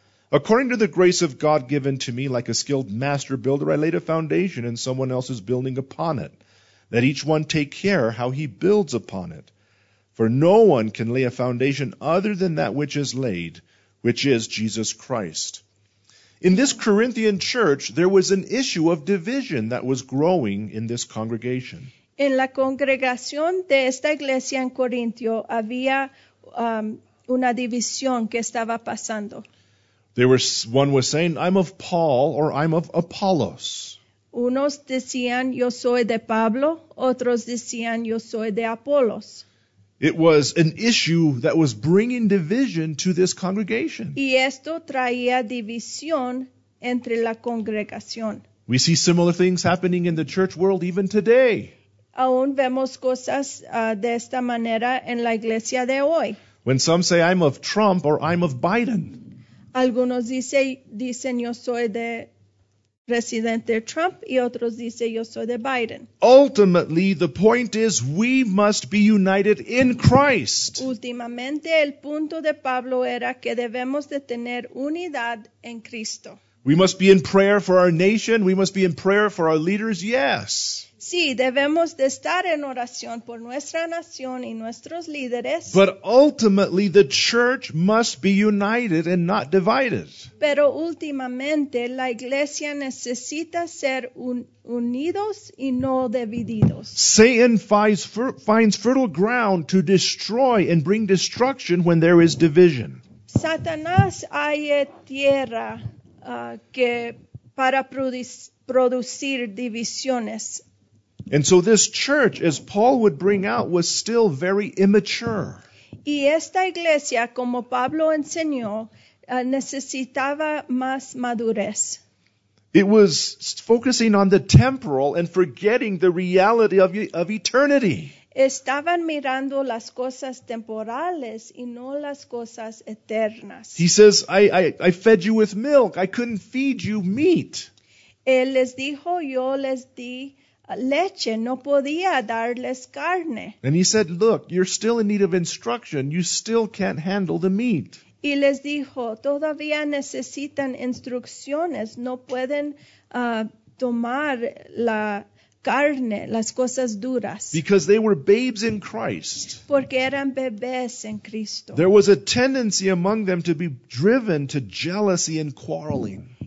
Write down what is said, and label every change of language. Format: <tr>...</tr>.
<en>According to the grace of God given to me, like a skilled master builder, I laid a foundation and someone else is building upon it. Let each one take care how he builds upon it. For no one can lay a foundation other than that which is laid, which is Jesus Christ. In this Corinthian church, there was an issue of division that was growing in this congregation.</en> <es>En la congregación de esta iglesia en Corintio había una división que estaba pasando.</es> <en>One was saying, I'm of Paul or I'm of Apollos.</en> <es>Unos decían, yo soy de Pablo. Otros decían, yo soy de Apolos.</es> <en>It was an issue that was bringing division to this congregation.</en> <es>Y esto traía división entre la congregación.</es> <en>We see similar things happening in the church world even today.</en> <es>Aún vemos cosas de esta manera en la iglesia de hoy.</es> <en>When some say, I'm of Trump or I'm of Biden.</en> <es>Algunos dicen, yo soy de Presidente Trump, y otros dicen, yo soy de Biden.</es> <en>Ultimately, the point is, we must be united in Christ.</en> <es>Últimamente, el punto de Pablo era que debemos de tener unidad en Cristo.</es> <en>We must be in prayer for our nation. We must be in prayer for our leaders. Yes.</en> <es>Sí, debemos de estar en oración por nuestra nación y nuestros líderes.</es> <en>But ultimately, the church must be united and not divided.</en> <es>Pero últimamente, la iglesia necesita ser unidos y no divididos.</es> <en>Satan finds fertile ground to destroy and bring destruction when there is division.</en> <es>Satanás halla tierra que para producir divisiones.</es> <en>And so this church, as Paul would bring out, was still very immature.</en> <es>Y esta iglesia, como Pablo enseñó, necesitaba más madurez.</es> <en>It was focusing on the temporal and forgetting the reality of eternity.</en> <es>Estaban mirando las cosas temporales y no las cosas eternas.</es> <en>He says, I fed you with milk. I couldn't feed you meat.</en> <es>Él les dijo, yo les di leche, no podía darles carne.</es> <en>And he said, look, you're still in need of instruction. You still can't handle the meat.</en> <es>Y les dijo, todavía necesitan instrucciones. No pueden tomar la carne, las cosas duras.</es> <en>Because they were babes in Christ.</en> <es>Porque eran bebés en Cristo.</es> <en>There was a tendency among them to be driven to jealousy and quarreling.</en>